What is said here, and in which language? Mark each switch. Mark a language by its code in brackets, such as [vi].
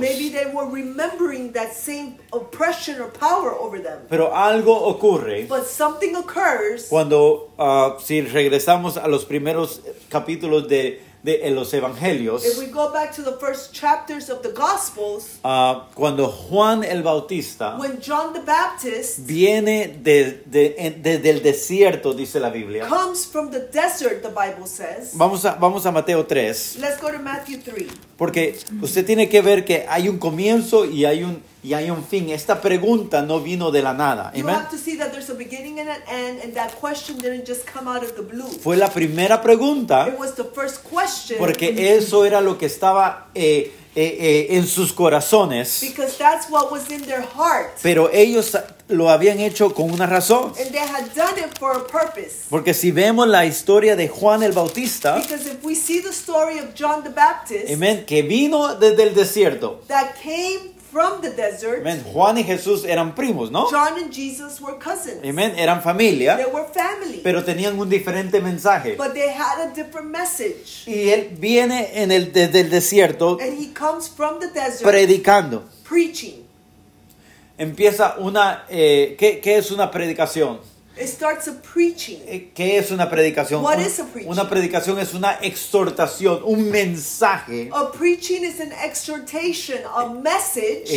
[en] Maybe they were remembering that same oppression or power over them. [es] Pero algo ocurre. [en] But something occurs. [es] Cuando si regresamos a los primeros capítulos de los evangelios. [en] If we go back to the first chapters of the gospels. [es] Cuando Juan el Bautista. [en] When John the Baptist. [es] Viene del desierto, dice la Biblia. [en] Comes from the desert, the Bible says. [es] Vamos a Mateo 3. [en] Let's go to Matthew 3. [es] Porque usted tiene que ver que hay un comienzo y hay un fin. Esta pregunta no vino de la nada. [en] You have to see that there's a beginning and an end, and that question didn't just come out of the blue. [es] Fue la primera pregunta. [en] It was the first question. [es] Porque eso era lo que estaba en sus corazones. [en] Because that's what was in their heart. [es] Pero ellos lo habían hecho con una razón. [en] And they had done it for a purpose. [es] Porque si vemos la historia de Juan el Bautista. [en] Because if we see the story of John the Baptist. Amen. [es] Que vino desde el desierto. [en] That came from the desert. Amen. [es] Juan y Jesús eran primos, ¿no? [en] John and Jesus were cousins. [es] Amen. Eran familia. [en] They were family. [es] Pero tenían un diferente mensaje. [en] But they had a different message. [es] Y él viene en el desde el desierto. [en] And he comes from the desert. [es] Predicando. [en] Preaching. [es] Empieza una ¿qué es una predicación? [en] It starts a preaching. [es] ¿Qué es una predicación? [en] What is a preaching? [es] Una predicación es una exhortación, un mensaje. [en] A preaching is an exhortation, a message.